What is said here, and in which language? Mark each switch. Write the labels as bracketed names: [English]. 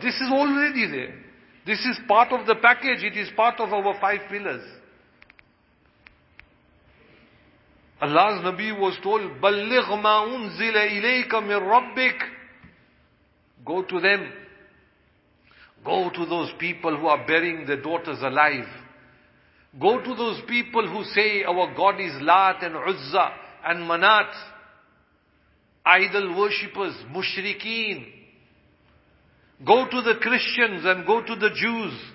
[English] This is already there. This is part of the package. It is part of our five pillars. Allah's Nabi was told, [Arabic] بَلِّغْ مَا أُنزِلَ إِلَيْكَ مِنْ رَبِّكَ. [English] Go to them. Go to those people who are burying their daughters alive. Go to those people who say our God is Lat and Uzza and Manat. Idol worshippers, mushrikeen. Go to the Christians and go to the Jews.